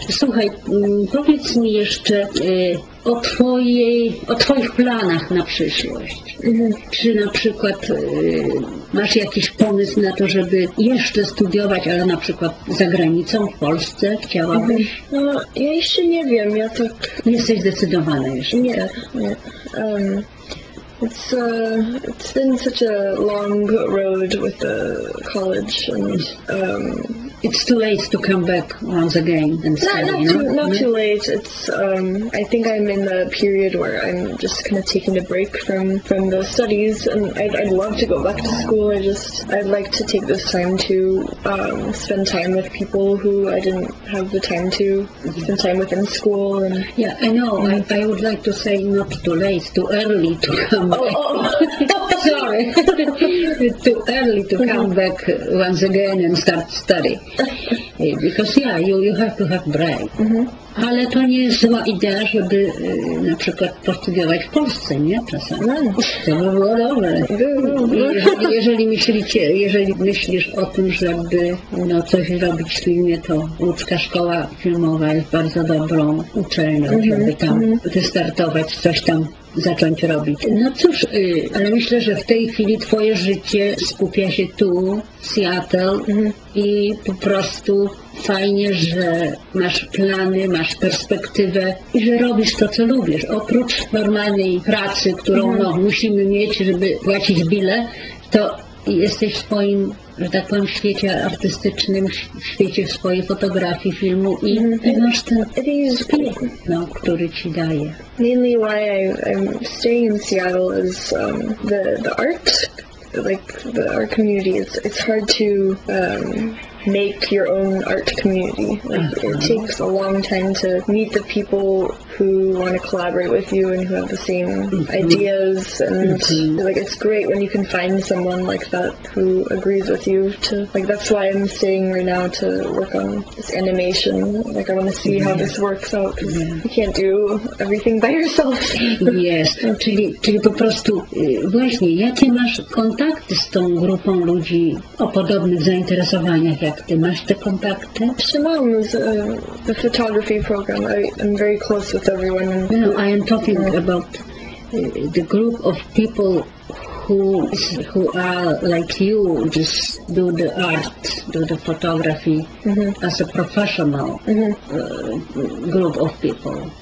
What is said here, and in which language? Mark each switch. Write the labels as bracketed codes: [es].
[pl] Słuchaj, powiedz mi jeszcze o twoich planach na przyszłość. Mhm. Czy na przykład masz jakiś pomysł na to, żeby jeszcze studiować, ale na przykład za granicą, w Polsce chciałabyś? Mhm. No, ja jeszcze nie wiem, ja tak... Nie jesteś zdecydowana jeszcze, nie. Tak? Nie. [en] It's been such a long road with the college, and it's too late to come back once again and study. Too late. It's I think I'm in the period where I'm just kind of taking a break from the studies, and I'd love to go back to school. I'd like to take this time to spend time with people who I didn't have the time to spend time with in school. And yeah, I know. I would like to say not too late, too early to come. Sorry. Too early to come back once again and start study. Because you have to have break. Mm-hmm. [pl] Ale to nie jest zła idea, żeby na przykład postudiować w Polsce, nie? Czasami. To by było dobre. Jeżeli myślisz o tym, żeby coś robić w filmie, to Łódzka Szkoła Filmowa jest bardzo dobrą uczelnią, żeby tam wystartować, coś tam zacząć robić. No cóż, ale myślę, że w tej chwili twoje życie skupia się tu, w Seattle i po prostu fajnie, że masz plany, masz perspektywę i że robisz to, co lubisz. Oprócz normalnej pracy, którą musimy mieć, żeby płacić bile, to jesteś w swoim, że tak powiem, w świecie artystycznym, w świecie swojej fotografii, filmu i masz ten spirit, który ci daje. [en] Mainly why I'm staying in Seattle is the art, like the art community. It's hard to make your own art community. Like, it takes a long time to meet the people who want to collaborate with you and who have the same ideas, and like, it's great when you can find someone like that who agrees with you to, like, that's why I'm staying right now to work on this animation. Like, I want to see how this works out, because you can't do everything by yourself. Yes, [pl] czyli, czyli po prostu właśnie, jakie masz kontakty z tą grupą ludzi o podobnych zainteresowaniach, jak ty masz te kontakty? Mam [en] the photography program. I'm very close with everyone. No, I am talking about the group of people who are like you, just do the art, do the photography as a professional group of people.